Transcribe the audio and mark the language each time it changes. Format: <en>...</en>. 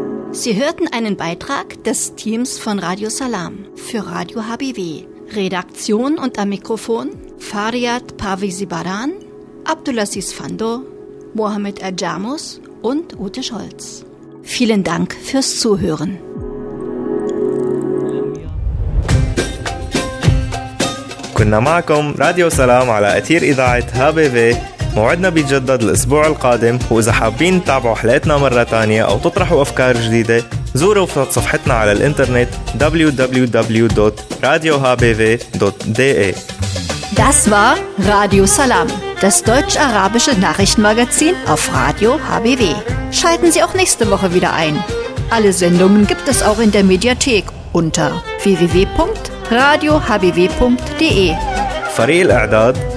<de>Sie hörten einen Beitrag des Teams von Radio Salam für Radio HBW. Redaktion und am Mikrofon Fariad Pavizibaran, Abdulaziz Fando, Mohamed Ajamus und Ute Scholz. Vielen Dank fürs Zuhören.</de> <ar>كنا معكم راديو سلام على أثير إذاعة HBV موعدنا بيتجدد الأسبوع القادم وإذا حابين تتابعوا حلقتنا مرة تانية أو تطرحوا أفكار جديدة زوروا صفحتنا على الإنترنت www.radiohbv.de</ar> <de>Das war Radio Salam. das deutsch-arabische Nachrichtenmagazin auf Radio HBW. Schalten Sie auch nächste Woche wieder ein. Alle Sendungen gibt es auch in der Mediathek unter www.radiohbw.de. Farel Adad.</de>